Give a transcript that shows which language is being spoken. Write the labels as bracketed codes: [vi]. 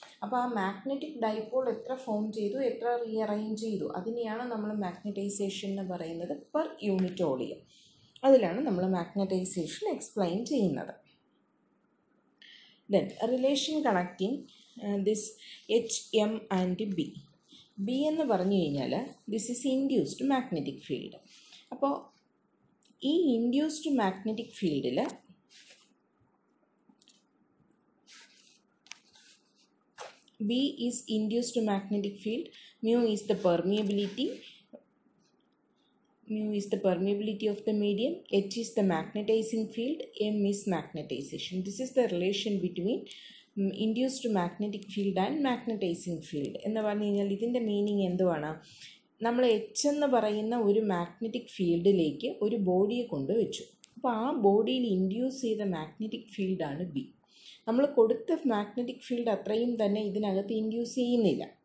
[ml] അപ്പോൾ ആ magnetic dipole എത്ര ഫോം ചെയ്തു, എത്ര റീഅറേഞ്ച് ചെയ്തു അതിനെയാണ് നമ്മൾ മാഗ്നറ്റൈസേഷൻ എന്ന് പറയുന്നത് പെർ യൂണിറ്റ് വോളിയം. അതിലാണ് നമ്മൾ മാഗ്നറ്റൈസേഷൻ എക്സ്പ്ലെയിൻ ചെയ്യുന്നത്. [en] Then relation connecting this H M and B. [ml] B എന്ന് പറഞ്ഞു കഴിഞ്ഞാൽ [en] This is induced magnetic field. [ml] അപ്പോൾ ഈ [en] Induced magnetic ഫീൽഡിൽ B is induced magnetic field, mu is the permeability, mu is the permeability of the medium, h is the magnetizing field, m is magnetization. This is the relation between induced magnetic field and magnetizing field. [ml] എന്നു പറഞ്ഞാൽ ഇതിൻ്റെ meaning എന്തുവാണ്? നമ്മൾ h എന്ന് പറയുന്ന ഒരു magnetic ഫീൽഡിലേക്ക് ഒരു ബോഡിയെ കൊണ്ടുവച്ചു. അപ്പോൾ ആ ബോഡിയിൽ ഇൻഡ്യൂസ് ചെയ്ത മാഗ്നറ്റിക് ഫീൽഡാണ് ബി. നമ്മൾ കൊടുത്ത മാഗ്നറ്റിക് ഫീൽഡ് അത്രയും തന്നെ ഇതിനകത്ത് ഇൻഡ്യൂസ് ചെയ്യുന്നില്ല.